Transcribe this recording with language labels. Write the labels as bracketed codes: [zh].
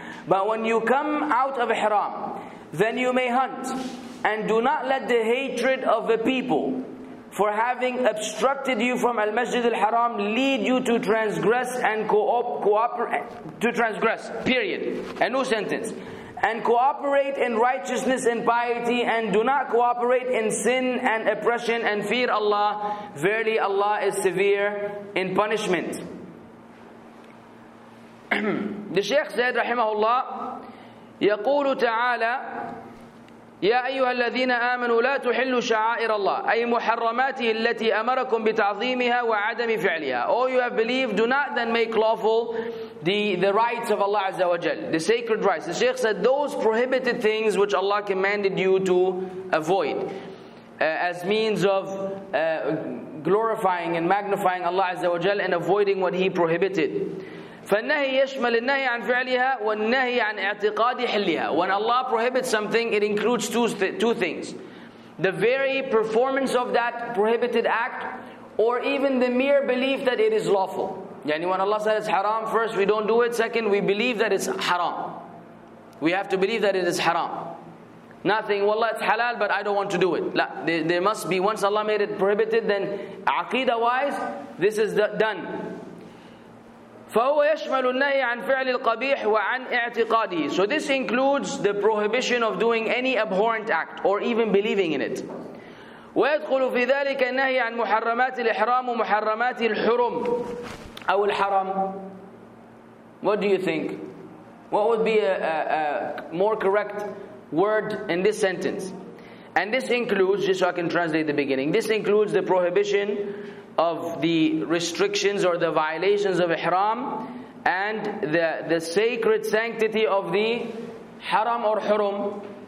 [en] But when you come out of ihram, then you may hunt, and do not let the hatred of the people for having obstructed you from al-Masjid al-Haram lead you to transgress and cooperate. Period. A new sentence. And cooperate in righteousness and piety, and do not cooperate in sin and oppression, and fear Allah. Verily Allah is severe in punishment. The Shaykh said, [ar] rahimahullah, يقول تعالى يا أيها الذين آمنوا لا تحلوا شعائر الله أي محرماته التي أمركم بتعظيمها وعدم فعلها. [en] All you have believed, do not then make lawful the rights of Allah Azza wa Jal, the sacred rights. The Shaykh said those prohibited things which Allah commanded you to avoid as means of glorifying and magnifying Allah Azza wa Jal and avoiding what He prohibited. [ar] فالنهي يشمل النهي عن فعلها والنهي عن اعتقاد حلها. [en] When Allah prohibits something, it includes two things. the very performance of that prohibited act, or even the mere belief that it is lawful. Yani when Allah says it's haram, first we don't do it, second we believe that it's haram. We have to believe that it is haram. Nothing, wallah, it's halal, but I don't want to do it. La, there must be, once Allah made it prohibited, then aqidah wise, this is done. [ar] فهو يشمل النهي عن فعل القبيح وعن اعتقاده. [en] So this includes the prohibition of doing any abhorrent act or even believing in it. [ar] ويدخل في ذلك النهي عن محرمات الإحرام ومحرمات الحرم أو الحرم. [en] What do you think? What would be a more correct word in this sentence? And this includes, just so I can translate the beginning, this includes the prohibition of the restrictions or the violations of ihram and the sacred sanctity of the haram or hurum.